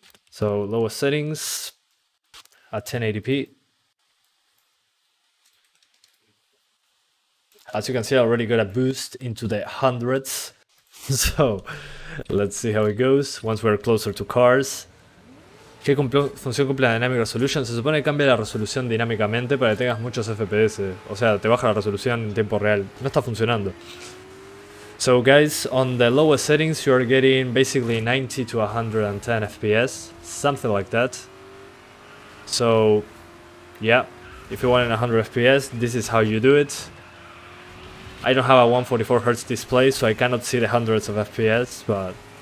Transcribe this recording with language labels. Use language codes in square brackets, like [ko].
[en] So, lower settings at 1080p. As you can see, I already got a boost into the hundreds. So, let's see how it goes once we're closer to cars. [es] ¿Qué función cumple la dynamic resolution? Se supone que cambia la resolución dinámicamente para que tengas muchos FPS. O sea, te baja la resolución en tiempo real. No está funcionando. [en] So guys, on the lowest settings you are getting basically 90 to 110 FPS. Something like that. So, yeah. If you want 100 FPS, this is how you do it. I don't have a 144Hz display, so I cannot see the hundreds of FPS, but...